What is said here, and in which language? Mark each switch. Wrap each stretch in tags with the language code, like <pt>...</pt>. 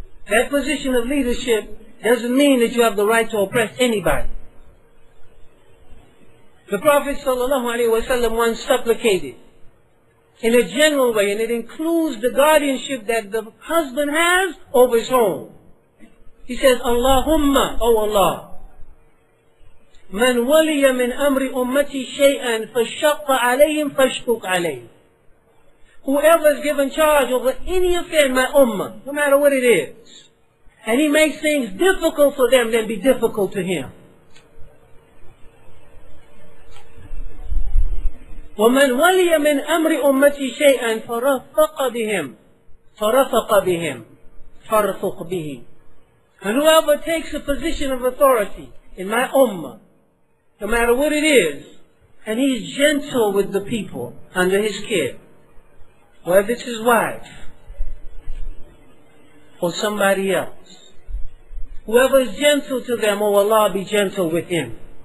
<en>That position of leadership doesn't mean that you have the right to oppress anybody. The Prophet sallallahu alayhi wa sallam once supplicated in a general way, and it includes the guardianship that the husband has over his home. He says, Allahumma, O Allah,</en> <ar>من ولي من أمر أمتي شيئا فشق عليهم فشقق عليهم.</ar> <en>Whoever is given charge over any affair in my ummah, no matter what it is, and he makes things difficult for them, then be difficult to him.</en> <ar>ومن ولي من أمر أمتي شيئا فرفق بهم فرفق بهم فرفق به.</ar> <en>And whoever takes a position of authority in my ummah, no matter what it is, and he's gentle with the people under his care, whether it's his wife or somebody else, whoever is gentle to them, oh Allah, be gentle with him.</en>